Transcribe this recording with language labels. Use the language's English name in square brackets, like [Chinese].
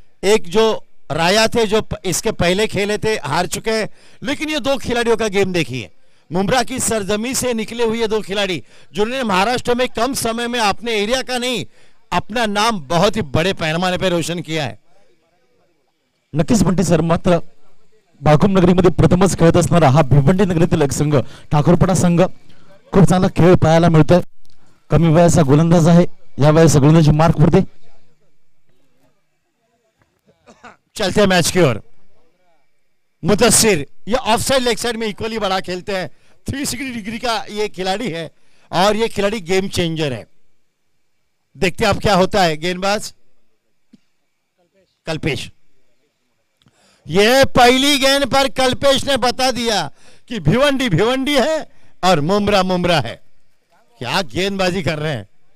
[Hindi] एक जो राया थे जो इसके पहले खेले थे हार चुके हैं, लेकिन ये दो खिलाड़ियों का गेम देखिए, मुमरा की सरजमी से निकले हुए दो खिलाड़ी जिन्होंने महाराष्ट्र में कम समय में अपने एरिया का नहीं अपना नाम बहुत ही बड़े पैमाने पर रोशन किया है। [Marathi] नक्कीच बंटी सर, मात्र बाकुम नगरी मध्ये प्रथमच खेळत असणारा हा भिवंडी नगरीतील एक संघ ठाकूरपाडा संघ खूप चांगला खेळ पाहायला मिळतोय। कमी वयाचा गोलंदाज आहे, या वयाचा गोलंदाज मार्क वरती [Hindi] चलते मॅच की ओर। मुदस्सिर ये ऑफ साइड लेग साइड में इक्वली बड़ा खेलते हैं, 360 डिग्री का ये खिलाड़ी है और ये खिलाड़ी गेम चेंजर है। देखते हैं अब क्या होता है। गेंदबाज कल्पेश, ये पहली गेंद पर कल्पेश ने बता दिया कि भिवंडी भिवंडी है और मुमरा मुमरा है। क्या गेंदबाजी कर रहे हैं,